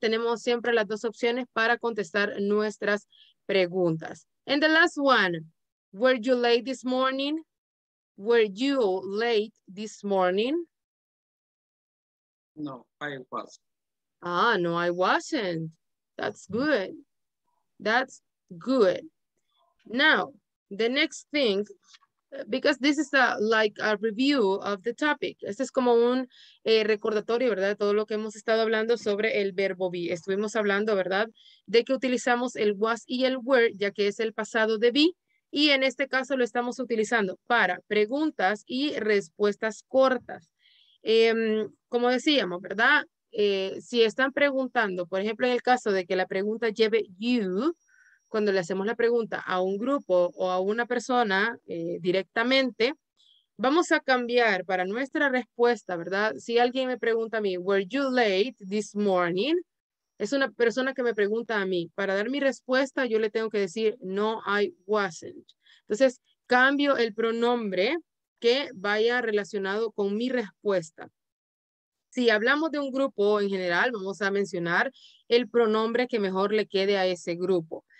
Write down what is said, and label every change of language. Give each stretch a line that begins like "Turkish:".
Spanish: Tenemos siempre las dos opciones para contestar nuestras preguntas.
English: And the last one, were you late this morning? Were you late this morning? No, I wasn't. No, I wasn't. That's good. That's good. Now, the next thing, because this is a review of the topic.
Spanish: Este es como un recordatorio, ¿verdad? Todo lo que hemos estado hablando sobre el verbo be. Estuvimos hablando, ¿verdad? De que utilizamos el was y el were, ya que es el pasado de be. Y en este caso lo estamos utilizando para preguntas y respuestas cortas. Como decíamos, ¿verdad? Si están preguntando, por ejemplo, en el caso de que la pregunta lleve you, cuando le hacemos la pregunta a un grupo o a una persona directamente, vamos a cambiar para nuestra respuesta, ¿verdad? Si alguien me pregunta a mí,
English: were you late this morning?
Spanish: Es una persona que me pregunta a mí. Para dar mi respuesta, yo le tengo que decir, no,
English: I wasn't.
Spanish: Entonces, cambio el pronombre que vaya relacionado con mi respuesta. Si hablamos de un grupo en general, vamos a mencionar el pronombre que mejor le quede a ese grupo.